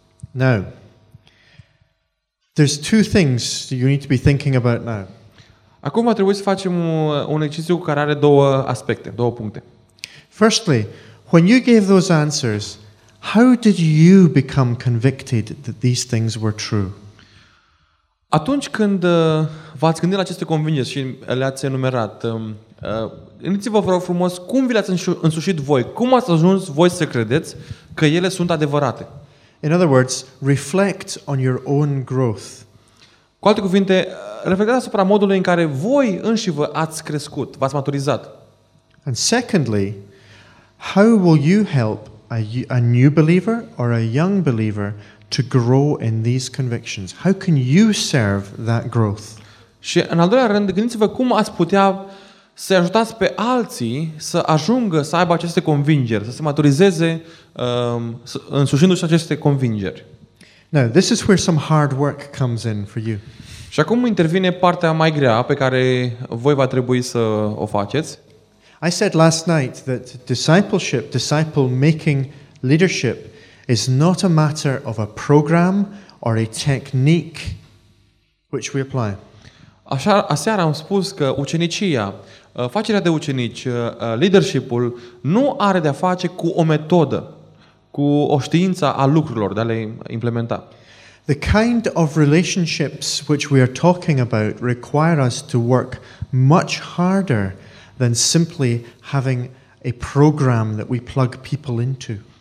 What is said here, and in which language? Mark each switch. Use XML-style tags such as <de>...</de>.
<en>Now, there's two things you need to be thinking about now.</en> <ro>Acum va trebui să facem un exercițiu care are două aspecte, două puncte.</ro> <en>Firstly, when you gave those answers, how did you become convicted that these things were true?</en> <ro>Atunci când v-ați gândit la aceste convingeri și le-ați enumerat, gândiți-vă, vă rog frumos, cum vi le-ați însușit voi? Cum ați ajuns voi să credeți că ele sunt adevărate?</ro> <en>In other words, reflect on your own growth.</en> <ro>Cu alte cuvinte, reflectați asupra modului în care voi înși vă ați crescut, v-ați maturizat.</ro> <en>And secondly, how will you help a new believer or a young believer to grow in these convictions? How can you serve that growth?</en> <ro>Și în al doilea rând, gândiți-vă cum ați putea să ajutați pe alții să ajungă să aibă aceste convingeri, să se maturizeze însușindu-și aceste convingeri.</ro> <en>Now, this is where some hard work comes in for you.</en> <ro>Și acum intervine partea mai grea pe care voi va trebui să o faceți.</ro> <en>I said last night that discipleship, disciple making leadership is not a matter of a program or a technique which we apply.</en> <ro>Așa, aseară am spus că ucenicia, facerea de ucenici, leadership-ul nu are de-a face cu o metodă, cu o știință a lucrurilor de a le implementa.</ro> <en>The kind of relationships which we are talking about require us to work much harder than simply having a program that we plug people into.</en>